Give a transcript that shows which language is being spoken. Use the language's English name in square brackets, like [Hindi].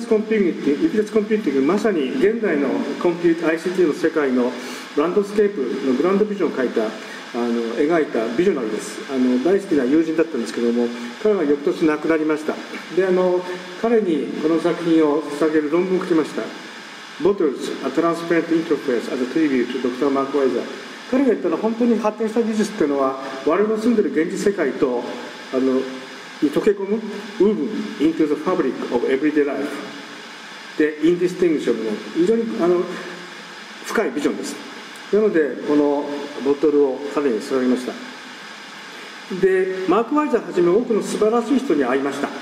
[Japanese] 指差しコンピューティング、まさに現代のコンピューター ICT の世界のランドスケープのグランドビジョンを書いた描いたビジョナリーです。大好きな友人だったんですけども、彼は翌年亡くなりました。で彼にこの作品を捧げる論文を書きました。 [English] Bottles, a transparent interface as a tribute to Dr. Mark Weiser。 [Japanese] 彼が言ったのは、本当に発展した技術っていうのは我々の住んでる現実世界とに溶け込む [English] Woven into the fabric of everyday life [Japanese] で indistinguishable、 非常に深いビジョンです。なのでこのボトルを彼に捧げました。でマーク・ワイザーはじめ多くの素晴らしい人に会いました。